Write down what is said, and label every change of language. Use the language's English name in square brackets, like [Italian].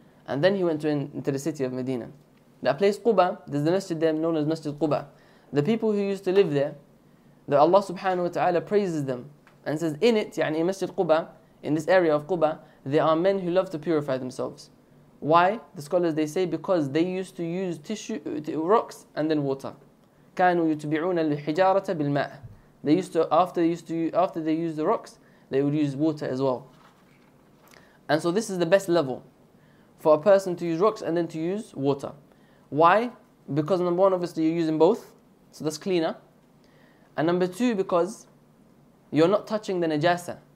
[English] And then he went into the city of Medina. That place Quba, there's the masjid there known as Masjid Quba. The people who used to live there, that Allah subhanahu wa ta'ala praises them and says, in it, يعني, in Masjid Quba, in this area of Quba, there are men who love to purify themselves. Why? The scholars, they say, because they used to use rocks and then water. [Arabic] كانوا يتبعون الحجارة بالماء. [English] After they used the rocks, they would use water as well. And so this is the best level for a person to use rocks and then to use water. Why? Because number one, obviously you're using both, so that's cleaner. And number two, because you're not touching the najasa.